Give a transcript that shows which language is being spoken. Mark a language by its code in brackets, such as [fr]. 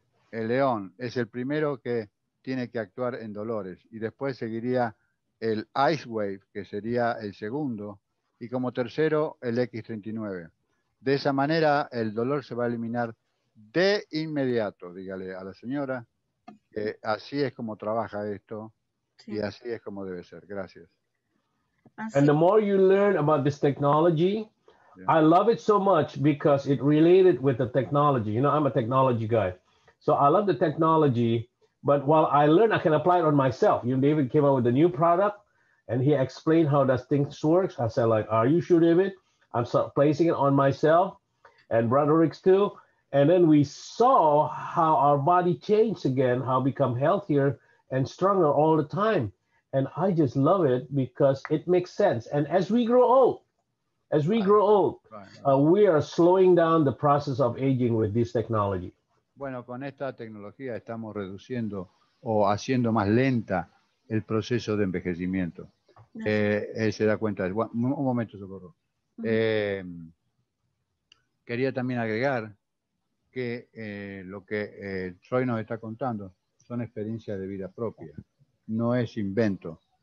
[es] El Aeon es el primero que tiene que actuar en dolores y después seguiría el Ice Wave, que sería el segundo, y como tercero el X39. De esa manera el dolor se va a eliminar de inmediato, dígale a la señora. Así es como trabaja esto y así es como debe ser. Gracias. [en] And the more you learn about this technology, I love it so much because it related with the technology. You know, I'm a technology guy. So I love the technology, but while I learn, I can apply it on myself. You know, David came out with a new product and he explained how that thing works. I said, like, are you sure, David? I'm placing it on myself and Broderick's too. And then we saw how our body changed again, how become healthier and stronger all the time. And I just love it because it makes sense. And as we grow old, we are slowing down the process of aging with this technology. [es] Bueno, con esta tecnología estamos reduciendo o haciendo más lenta el proceso de envejecimiento. Él se da cuenta. Un momento, socorro. Quería también agregar que lo que Troy nos está contando son experiencias de vida propia, no es invento.